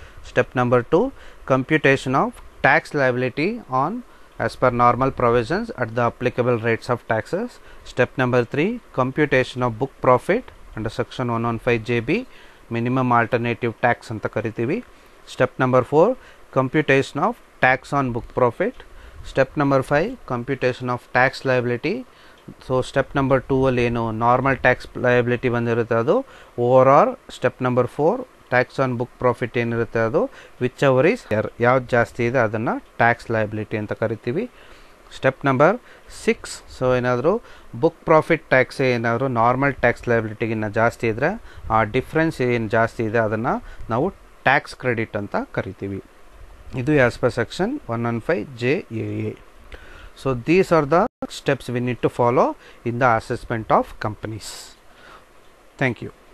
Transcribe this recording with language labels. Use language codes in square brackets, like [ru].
[en] Step number 2, computation of tax liability on as per normal provisions at the applicable rates of taxes. Step number 3, computation of book profit under section 115JB, minimum alternative tax [kn] anta karithivi. [en] Step number 4, computation of tax on book profit. Step number 5, computation of tax liability. [kn] So step number 2 ಅಲ್ಲಿ ಏನು normal tax liability ಬಂದಿರುತ್ತೆ ಅದು over R, step number 4 tax on book profit ಏನಿರುತ್ತೆ ಅದು [en] which ever is higher [kn] ಯಾವ್ದು ಜಾಸ್ತಿ ಇದೆ ಅದನ್ನು ಟ್ಯಾಕ್ಸ್ ಲಯಬಿಲಿಟಿ ಅಂತ ಕರಿತೀವಿ. ಸ್ಟೆಪ್ ನಂಬರ್ 6, ಸೊ ಏನಾದರೂ ಬುಕ್ ಪ್ರಾಫಿಟ್ ಟ್ಯಾಕ್ಸ್ ಏನಾದರೂ ನಾರ್ಮಲ್ ಟ್ಯಾಕ್ಸ್ ಲಯಬಿಲಿಟಿಗಿನ್ನ ಜಾಸ್ತಿ ಇದ್ದರೆ ಆ ಡಿಫ್ರೆನ್ಸ್ ಏನು ಜಾಸ್ತಿ ಇದೆ ಅದನ್ನು ನಾವು ಟ್ಯಾಕ್ಸ್ ಕ್ರೆಡಿಟ್ ಅಂತ ಕರಿತೀವಿ. ಇದು as per section 115JAA. [en] So these are the steps we need to follow in the assessment of companies. Thank you.